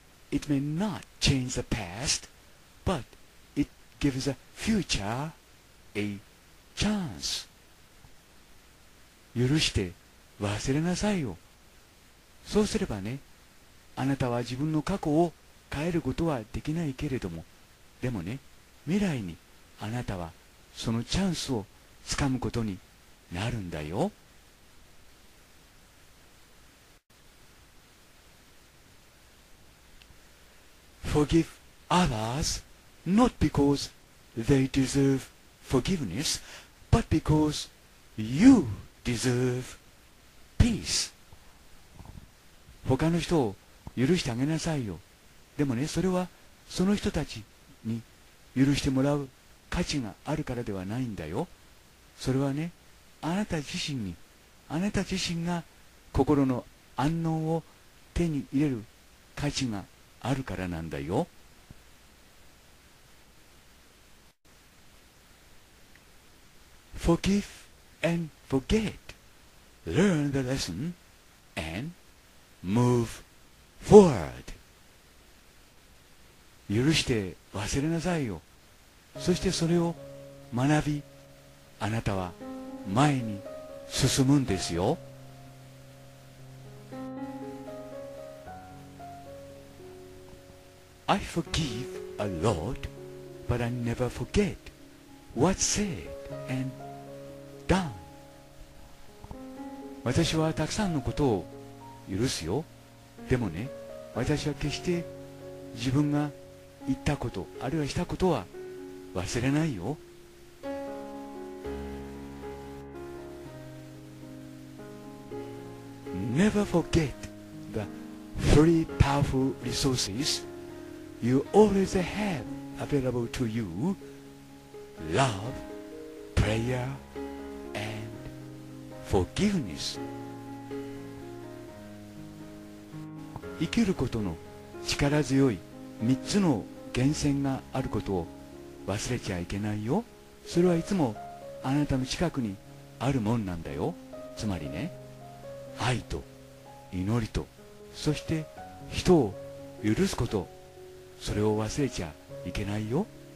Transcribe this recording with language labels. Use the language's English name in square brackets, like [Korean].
[English] It may not change the past, but it gives a future a chance. [Japanese] 許して忘れなさいよ。そうすればね、あなたは自分の過去を変えることはできないけれども、でもね、未来にあなたはそのチャンスをつかむことになるんだよ。 [English] Forgive others, not because they deserve forgiveness, but because you deserve peace. [Japanese] 他の人を許してあげなさいよ。でもね、それはその人たちに許してもらう価値があるからではないんだよ。それはね、あなた自身に、あなた自身が心の安穏を手に入れる価値があるからなんだよ。 [English] Forgive and forget. Learn the lesson and move forward. [Japanese] 許して忘れなさいよ。そしてそれを学び、あなたは前に進むんですよ。 [English] I forgive a lot, but I never forget what's said and done. [Japanese] 私はたくさんのことを許すよ。でもね、私は決して自分が言ったこと、あるいはしたことは忘れないよ。ね [English] never forget the three powerful resources you always have available to you: love, prayer, and forgiveness。 [Japanese] 生きることの力強い3つの源泉があることを忘れちゃいけないよ。それはいつもあなたの近くにあるもんなんだよ。つまりね、愛と祈りと、そして人を許すこと、それを忘れちゃいけないよ。